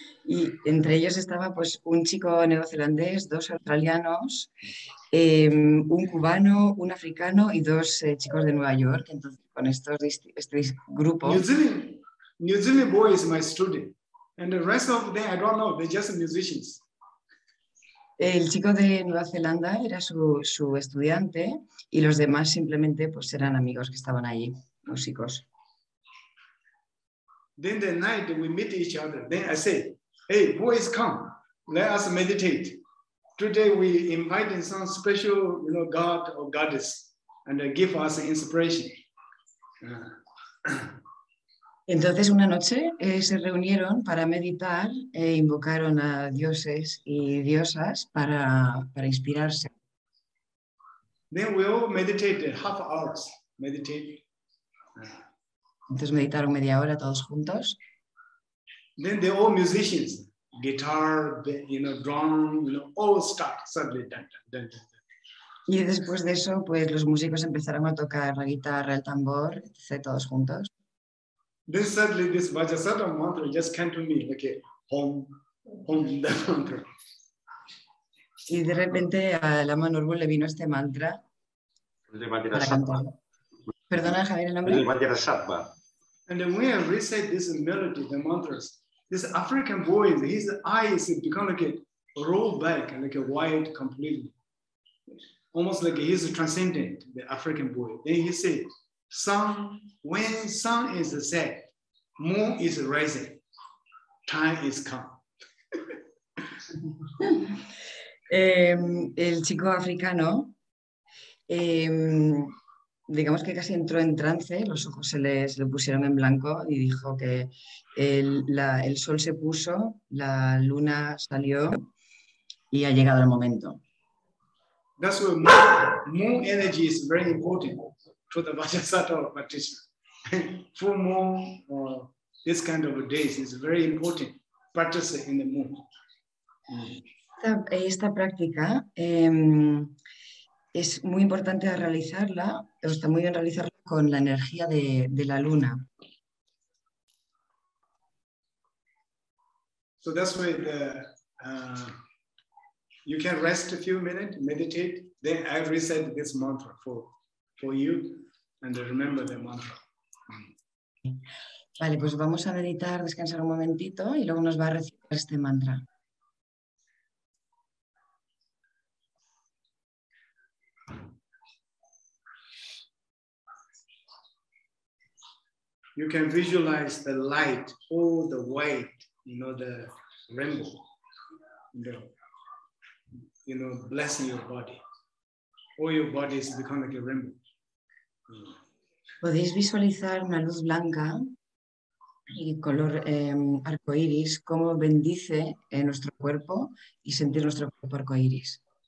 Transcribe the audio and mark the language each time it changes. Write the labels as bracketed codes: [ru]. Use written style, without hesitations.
[es] Y entre ellos estaba pues un chico neozelandés, dos australianos, un cubano, un africano y dos chicos de Nueva York. Entonces con estos grupos. [en] New Zealand boy is my student, and the rest of them I don't know. They're just musicians. [es] El chico de Nueva Zelanda era su estudiante y los demás simplemente pues eran amigos que estaban allí, músicos. [en] Then the night we meet each other. Then I say, "Hey, boys, come. Let us meditate. Today we invite in some special, you know, God or goddess and give us inspiration. [es] Entonces una noche se reunieron para meditar e invocaron a dioses y diosas para inspirarse. [en] Then we all meditated half hours. Meditate. [es] Entonces meditaron media hora todos juntos. [en] Then they all musicians, guitar, you know, drum, you know, all start suddenly. [es] Y después de eso, pues los músicos empezaron a tocar la guitarra, el tambor, etc., todos juntos. [en] Then suddenly this Vajrasattva mantra just came to me, okay, home, the mantra. [es] Y de repente a Lama Norbu le vino este mantra. El de Vajrasattva. Perdona, Javier, el nombre. El de Vajrasattva. [en] And then when I reset this melody, the mantras, this African boy, his eyes become like a roll back and like a white completely. Almost like he's transcendent, the African boy. Then he said, sun, when sun is set, moon is rising, time is come. [es] El chico africano, digamos que casi entró en trance, los ojos se le pusieron en blanco y dijo que el sol se puso, la luna salió y ha llegado el momento. [en] That's why moon energy is very important to the Vajrasattva practitioner. Full moon or this kind of days is very important practice in the moon. [es] Esta práctica es muy importante realizarla, o está muy bien realizarla con la energía de la luna. [en] So that's why the you can rest a few minutes, meditate, then I reset this mantra for you and remember the mantra. [es] Vale, pues vamos a meditar, descansar un momentito y luego nos va a recitar este mantra. [en] You can visualize the light, all the white, you know, the rainbow. You know, blessing your body. All your body is becoming like a rainbow. [es] Podéis visualizar una luz blanca y color arcoíris, cómo bendice nuestro cuerpo y sentir nuestro cuerpo arcoíris.